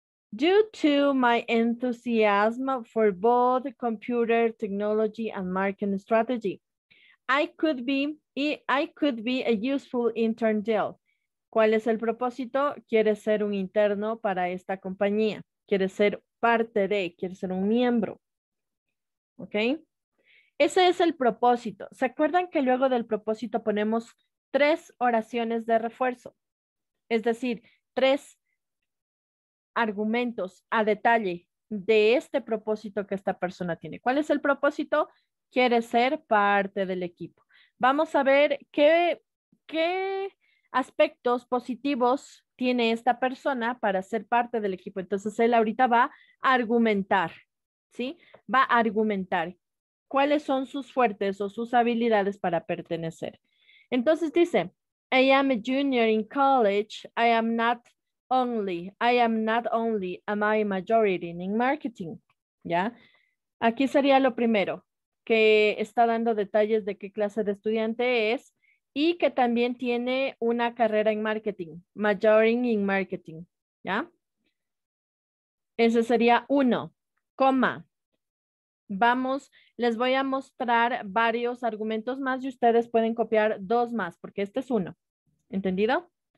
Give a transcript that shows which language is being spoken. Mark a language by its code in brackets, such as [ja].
[en] Due to my enthusiasm for both computer technology and marketing strategy, I could be a useful intern Dell. [es] ¿Cuál es el propósito? Quiere ser un interno para esta compañía. Quiere ser parte de, quiere ser un miembro. ¿Ok? Ese es el propósito. ¿Se acuerdan que luego del propósito ponemos tres oraciones de refuerzo? Es decir, tres argumentos a detalle de este propósito que esta persona tiene. ¿Cuál es el propósito? Quiere ser parte del equipo. Vamos a ver qué aspectos positivos tiene esta persona para ser parte del equipo. Entonces, él ahorita va a argumentar, ¿sí? Va a argumentar. cuáles son sus fuertes o sus habilidades para pertenecer. Entonces dice, [en] I am a junior in college. I am not only, am I majority in marketing. [es] ¿Ya? Aquí sería lo primero, que está dando detalles de qué clase de estudiante es y que también tiene una carrera en marketing, [en] majoring in marketing. [es] ¿Ya? Ese sería uno, coma. Vamos, les voy a mostrar varios argumentos más y ustedes pueden copiar dos más, porque este es uno. ¿Entendido?